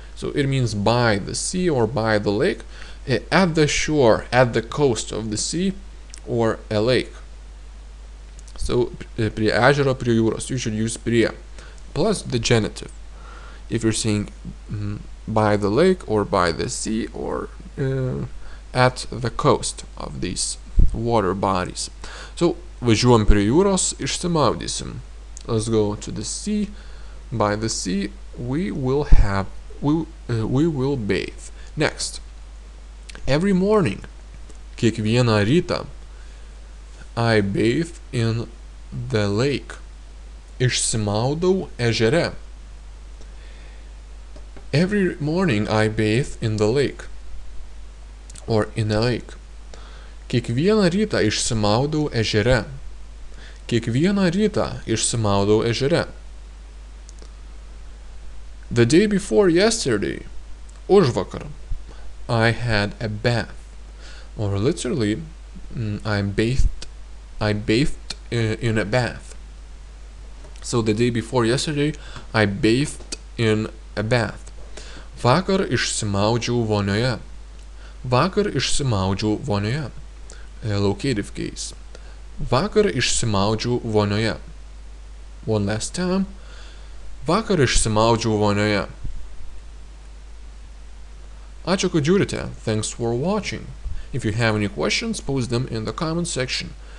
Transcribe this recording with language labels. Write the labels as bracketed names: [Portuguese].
[English] So it means by the sea or by the lake, at the shore, at the coast of the sea, or a lake. So, [Lithuanian] prie ežero, prie jūros, [English] you should use prie, plus the genitive. If you're saying by the lake, or by the sea, or at the coast of these water bodies. [Lithuanian] So, važiuojam prie jūros, išsimaudysim. [English] Let's go to the sea. By the sea, we will bathe. Next, every morning, [Lithuanian] kiekvieną rytą, [English] I bathe in the lake. [Lithuanian] Išsimaudau ežere. [English] Every morning I bathe in the lake. Or in a lake. [Lithuanian] Kiekvieną rytą išsimaudau ežere. Kiekvieną rytą išsimaudau ežere. [English] The day before yesterday, užvakar, I had a bath. Or literally, I bathed in a bath. So the day before yesterday, I bathed in a bath. [Lithuanian] Vakar išsimaudžiau vonioje. Vakar išsimaudžiau vonioje. [English] Locative case. [Lithuanian] Vakar išsimaudžiau vonioje. [English] One last time. [Lithuanian] Vakar išsimaudžiau vonioje. Ačiū kad žiūrite. [English] Thanks for watching. If you have any questions, post them in the comment section.